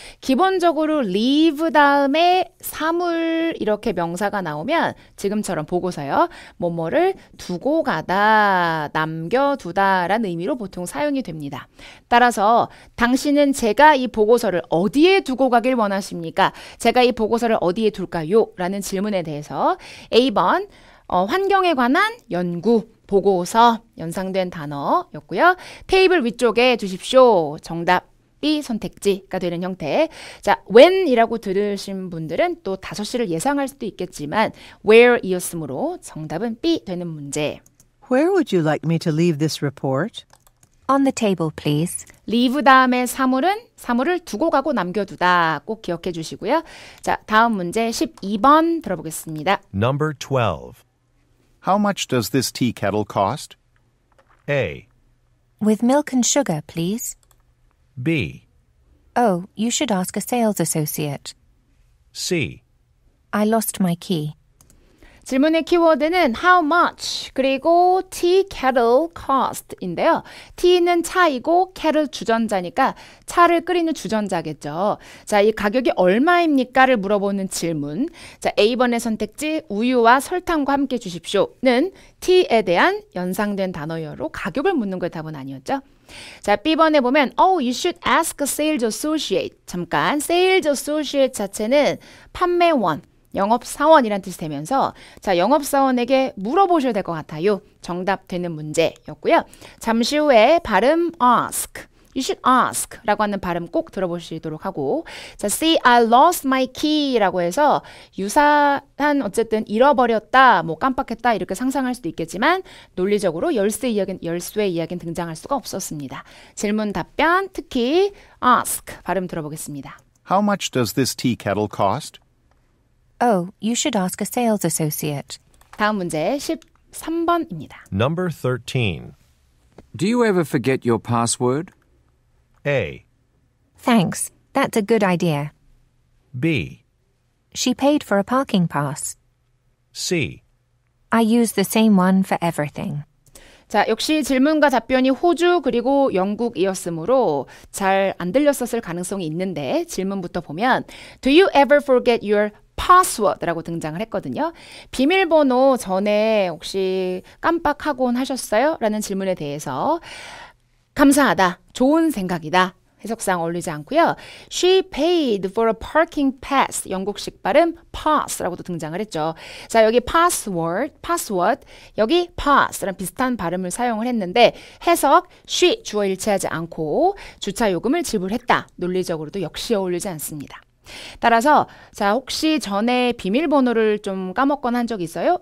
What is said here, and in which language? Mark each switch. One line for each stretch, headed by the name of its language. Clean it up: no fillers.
Korean: 기본적으로 leave 다음에 사물 이렇게 명사가 나오면 지금처럼 보고서요 뭐뭐를 두고 가다 남겨두다 라는 의미로 보통 사용이 됩니다 따라서 당신은 제가 이 보고서를 어디에 두고 가길 원하십니까 제가 이 보고서를 어디에 둘까요 라는 질문에 대해서 A번 환경에 관한 연구, 보고서, 연상된 단어였고요. 테이블 위쪽에 두십시오. 정답이 선택지가 되는 형태. 자, when이라고 들으신 분들은 또 5시를 예상할 수도 있겠지만 where이었으므로 정답은 B 되는 문제.
English: Where would you like me to leave this report? On the table, please.
Korean: Leave 다음에 사물은 사물을 두고 가고 남겨두다. 꼭 기억해 주시고요. 자, 다음 문제 12번 들어보겠습니다.
English: Number 12. How much does this tea kettle cost? A. With milk and sugar, please. B. Oh, you should ask a sales associate. C. I lost my key.
Korean: 질문의 키워드는 how much 그리고 tea kettle cost인데요. tea는 차이고 kettle 주전자니까 차를 끓이는 주전자겠죠. 자, 이 가격이 얼마입니까를 물어보는 질문. 자, A번의 선택지 우유와 설탕과 함께 주십시오는 tea에 대한 연상된 단어로 가격을 묻는 것 답은 아니었죠. 자, B번에 보면
English: Oh, you should ask a sales associate.
Korean: 잠깐, sales associate 자체는 판매원. 영업사원이란 뜻이 되면서 자 영업사원에게 물어보셔야 될 것 같아요. 정답 되는 문제였고요. 잠시 후에 발음 ask,
English: you should ask
Korean: 라고 하는 발음 꼭 들어보시도록 하고 자 see
English: I lost my key
Korean: 라고 해서 유사한 어쨌든 잃어버렸다, 뭐 깜빡했다 이렇게 상상할 수도 있겠지만 논리적으로 열쇠 이야기는 등장할 수가 없었습니다. 질문 답변 특히 ask 발음 들어보겠습니다.
English: How much does this tea kettle cost? Oh, you should ask a sales associate.
Korean: 다음 문제 13번입니다.
English: Number 13. Do you ever forget your password? A. Thanks. That's a good idea. B. She paid for a parking pass. C. I use the same one for everything.
Korean: 자, 역시 질문과 답변이 호주 그리고 영국이었으므로 잘 안 들렸었을 가능성이 있는데 질문부터 보면
English: Do you ever forget your password
Korean: 라고 등장을 했거든요. 비밀번호 전에 혹시 깜빡하곤 하셨어요? 라는 질문에 대해서 감사하다, 좋은 생각이다 해석상 어울리지 않고요.
English: She paid for a parking pass.
Korean: 영국식 발음 pass라고도 등장을 했죠. 자 여기 password 여기 pass랑 비슷한 발음을 사용을 했는데 해석 she 주어 일치하지 않고 주차 요금을 지불했다. 논리적으로도 역시 어울리지 않습니다. 따라서 자 혹시 전에 비밀번호를 좀 까먹거나 한 적 있어요?